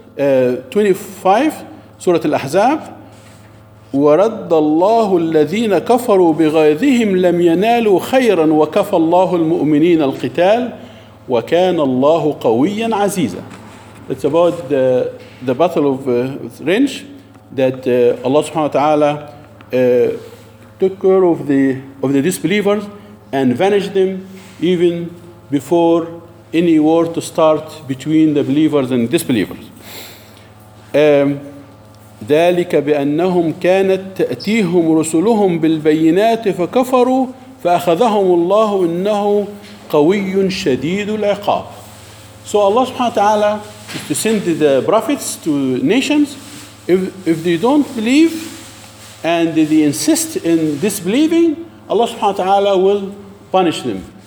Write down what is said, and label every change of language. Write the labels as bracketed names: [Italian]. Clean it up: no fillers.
[Arabic] 25 سورة الأحزاب: ورد الله الذين كفروا بغيظهم لم ينالوا خيرا وكفى الله المؤمنين القتال وكان الله قويا عزيزا. [English] It's about the battle of Rinch that Allah subhanahu wa ta'ala took care of the disbelievers and vanished them even before any war to start between the believers and disbelievers. [Arabic] ذلك بأنهم كانت تأتيهم رسلهم بالبينات فكفروا فأخذهم الله إنه قوي شديد العقاب. [English] So Allah subhanahu wa ta'ala is to send the prophets to nations. If they don't believe and they insist in disbelieving, Allah subhanahu wa ta'ala will punish them.